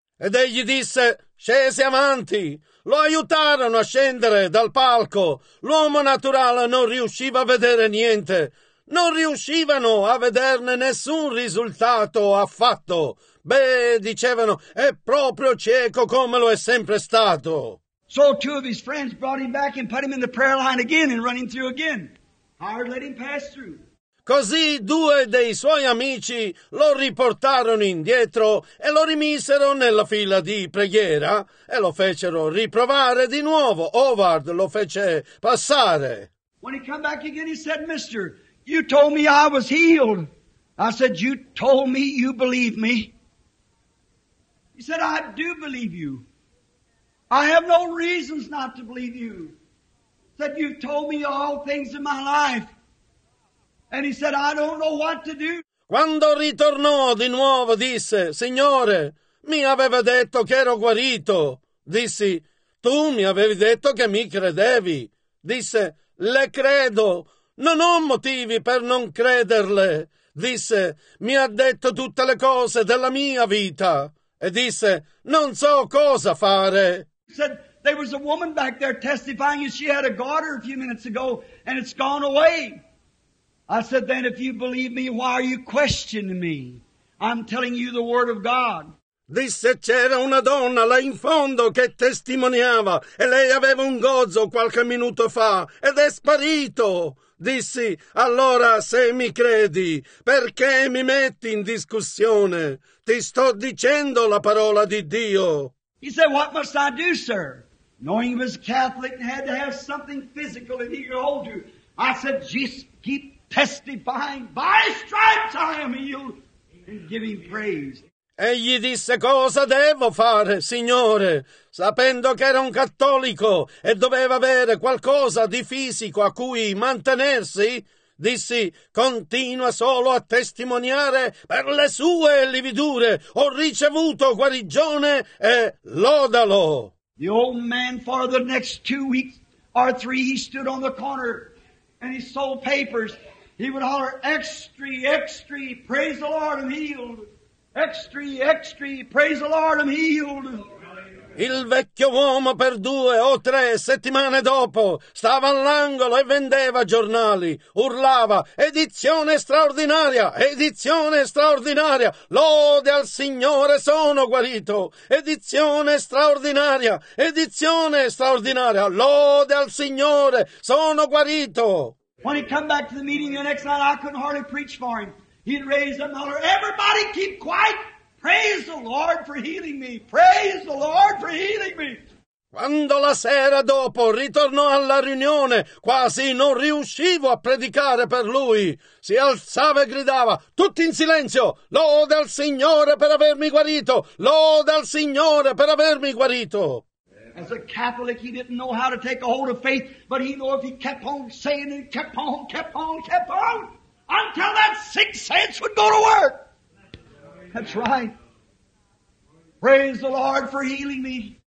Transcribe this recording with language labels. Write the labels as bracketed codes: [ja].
[it] Ed egli disse, scesi avanti. Lo aiutarono a scendere dal palco. L'uomo naturale non riusciva a vedere niente. Non riuscivano a vederne nessun risultato affatto. Beh, dicevano, è proprio cieco come lo è sempre stato. [en] So two of his friends brought him back and put him in the prayer line again and run him through again. Howard let him pass through. [it] Così due dei suoi amici lo riportarono indietro e lo rimisero nella fila di preghiera e lo fecero riprovare di nuovo. Howard lo fece passare. [en] When he came back again, he said, Mister, you told me I was healed. I said, you told me you believe me. He said, I do believe you. I have no reasons not to believe you. He said, you've told me all things in my life. And he said, I don't know what to do. [it] Quando ritornò di nuovo, disse, Signore, mi aveva detto che ero guarito. Dissi, tu mi avevi detto che mi credevi. Disse, le credo. Non ho motivi per non crederle. Disse, mi ha detto tutte le cose della mia vita. E disse, non so cosa fare. [en] He said, there was a woman back there testifying that she had a daughter a few minutes ago, and it's gone away. I said, then if you believe me, why are you questioning me? I'm telling you the word of God. [it] Disse, c'era una donna là in fondo che testimoniava, e lei aveva un gozzo qualche minuto fa, ed è sparito. Dissi, allora se mi credi, perché mi metti in discussione? Ti sto dicendo la parola di Dio. [en] He said, what must I do, sir? Knowing he was Catholic and had to have something physical that he could hold to, I said, just keep testifying, by stripes I am healed, and give him praise. [it] Egli disse, cosa devo fare, Signore? Sapendo che era un cattolico e doveva avere qualcosa di fisico a cui mantenersi, dissi, continua solo a testimoniare per le sue lividure. Ho ricevuto guarigione e lodalo. [en] The old man for the next 2 weeks or three, he stood on the corner and he sold papers. He would holler, extra, extra, praise the Lord, I'm healed. Extra, extra, praise the Lord, I'm healed. [it] Il vecchio uomo per due o tre settimane dopo stava all'angolo e vendeva giornali. Urlava, edizione straordinaria, edizione straordinaria. Lode al Signore, sono guarito. Edizione straordinaria, edizione straordinaria. Lode al Signore, sono guarito. [en] When he came back to the meeting the next night, I couldn't hardly preach for him. He'd raise up and holler, everybody keep quiet. Praise the Lord for healing me. Praise the Lord for healing me. [it] Quando la sera dopo ritornò alla riunione, quasi non riuscivo a predicare per lui. Si alzava e gridava, tutti in silenzio. Lode al Signore per avermi guarito. Lode al Signore per avermi guarito. [en] As a Catholic, he didn't know how to take a hold of faith, but he knew if he kept on saying it, kept on, until that sixth sense would go to work. That's right. Praise the Lord for healing me.